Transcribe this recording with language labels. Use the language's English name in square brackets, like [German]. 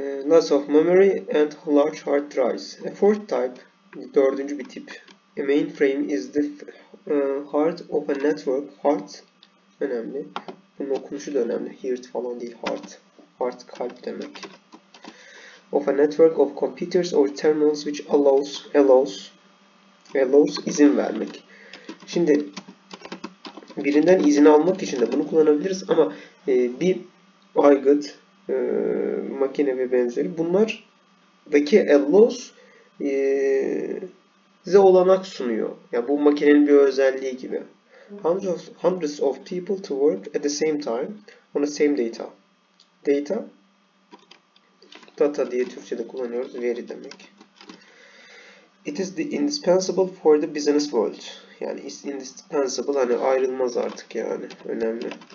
[English] Lots of memory and large hard drives. A fourth type, [Turkish] dördüncü bir tip. [English] A mainframe is the heart of a network. [Turkish] Heart önemli. Bunun okunuşu da önemli. [English] Heart [Turkish] falan değil. [English] Heart. Heart [Turkish] kalp demek. [English] Of a network of computers or terminals which allows [Turkish] izin vermek. Şimdi birinden izin almak için de bunu kullanabiliriz ama bir aygıt, makine ve benzeri. Bunlardaki allows size olanak sunuyor. Ya yani bu makinenin bir özelliği gibi. [English] hundreds of people to work at the same time on the same data. [Turkish] Data, data diye Türkçe'de kullanıyoruz, veri demek. [English] It is the indispensable for the business world. [Turkish] Yani is indispensable, hani ayrılmaz artık yani, önemli.